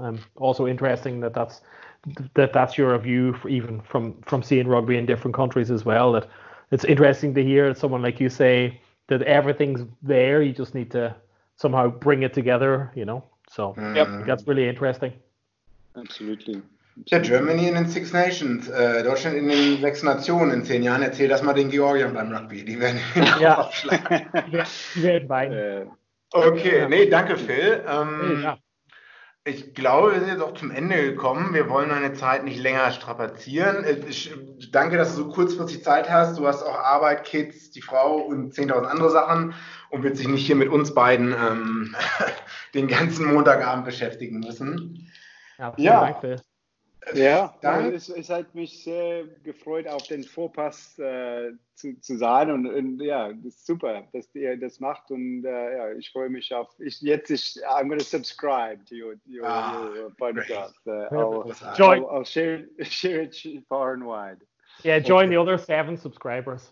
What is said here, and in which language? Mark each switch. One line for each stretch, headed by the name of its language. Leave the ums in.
English: Um, also interesting that that's that that's your view, for even from from seeing rugby in different countries as well. That it's interesting to hear someone like you say that everything's there. You just need to somehow bring it together. You know, so Yep. that's really interesting. Absolutely.
German: Ja, Germany in den Six Nations, äh, Deutschland in den Sechs Nationen in zehn Jahren. Erzähl das mal den Georgiern beim Rugby. Die werden Ja. aufschlagen. Weltweit. Uh, Okay, nee, danke Phil. Ähm, Ja. Ich glaube, wir sind jetzt auch zum Ende gekommen. Wir wollen deine Zeit nicht länger strapazieren. Ich danke, dass du so kurzfristig Zeit hast. Du hast auch Arbeit, Kids, die Frau und 10.000 andere Sachen und willst dich nicht hier mit uns beiden ähm, den ganzen Montagabend beschäftigen müssen. Ja, vielen Ja. Dank, Phil. Ja, Dank. also es, es hat mich sehr gefreut, auf den Vorpass äh, zu, zu sein und, und ja, das ist super, dass ihr das macht und äh, ja, ich freue mich auf, ich, jetzt ist, I'm going to subscribe to your, your, Ah,
English: your podcast. Uh, I'll,
German: Großartig.
English: Join. I'll, I'll share, share it far and wide. Yeah, join the other seven subscribers.